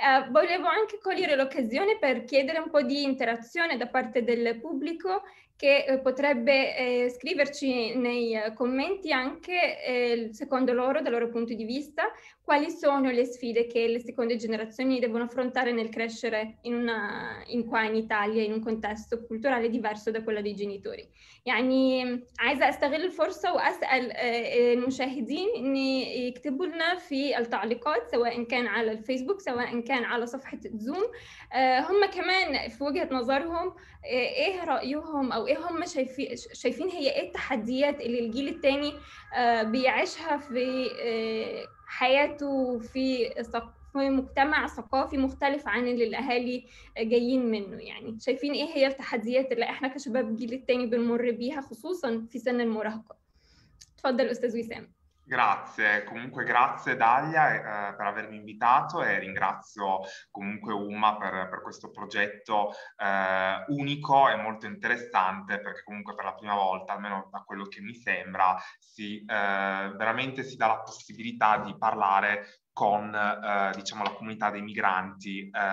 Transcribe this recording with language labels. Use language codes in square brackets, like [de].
[it] Volevo anche cogliere l'occasione per chiedere un po' di interazione da parte del pubblico, che potrebbe scriverci nei commenti anche secondo loro, dal loro punto di vista, quali sono le sfide che le seconde generazioni devono affrontare nel crescere qua in Italia, in un contesto culturale diverso da quello dei genitori. [ar] يعني عايزة استغل الفرصة واسأل المشاهدين ان يكتبوا لنا في التعليقات، سواء كان على الفيسبوك سواء كان على صفحة زوم، هم كمان في وجهة نظرهم ايه رأيهم او ايه هم شايفين هي ايه التحديات اللي الجيل الثاني بيعيشها في حياته في مجتمع ثقافي مختلف عن اللي الأهالي جايين منه، يعني شايفين إيه هي التحديات اللي إحنا كشباب الجيل التاني بنمر بيها خصوصا في سن المراهقة؟ تفضل أستاذ وسام. [it] Grazie, comunque grazie Dalia per avermi invitato e ringrazio comunque Umma per questo progetto unico e molto interessante, perché comunque per la prima volta, almeno da quello che mi sembra, si dà la possibilità di parlare con diciamo la comunità dei migranti